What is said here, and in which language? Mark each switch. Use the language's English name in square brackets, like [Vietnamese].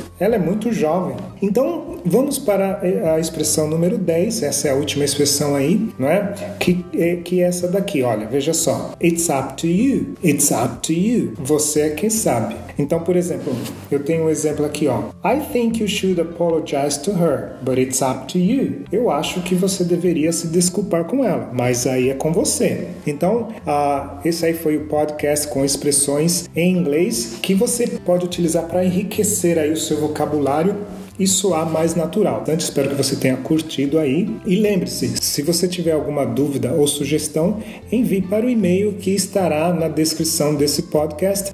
[Portuguese] Ela é muito jovem. Então, vamos para a expressão número 10. Essa é a última expressão aí, não é? Que é essa daqui, olha, veja só. [English] It's up to you. It's up to you. [Portuguese] Você é quem sabe. Então, por exemplo, eu tenho um exemplo aqui, ó. [English] I think you should apologize to her, but it's up to you. [Portuguese] Eu acho que você deveria se desculpar com ela, mas aí é com você. Então, esse aí foi o podcast com expressões em inglês que você pode utilizar para enriquecer aí o seu vocabulário e soar mais natural. Dante, espero que você tenha curtido aí. E lembre-se, se você tiver alguma dúvida ou sugestão, envie para o e-mail que estará na descrição desse podcast.